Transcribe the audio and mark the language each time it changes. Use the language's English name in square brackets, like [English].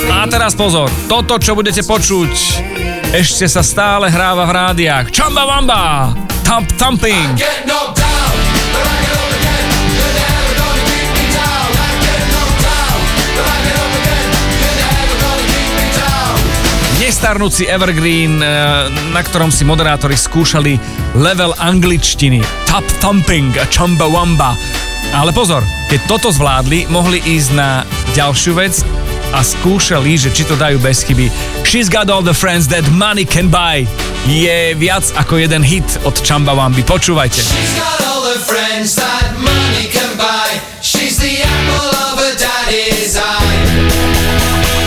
[Slovak] teraz pozor, toto, čo budete počuť, ešte sa stále hráva v rádiách. Chumba Wamba, Thump Thumping. Nestarnúci evergreen, na ktorom si moderátori skúšali level angličtiny. Thump Thumping a Chumba Wamba. Ale pozor, keď toto zvládli, mohli ísť na ďalšiu vec a skúšali, že či to dajú bez chyby. [English] She's got all the friends that money can buy. [Slovak] Je viac ako jeden hit od Chumba Wamby. Počúvajte. [English] She's got all the friends that money can buy. She's the apple of her daddy's eye.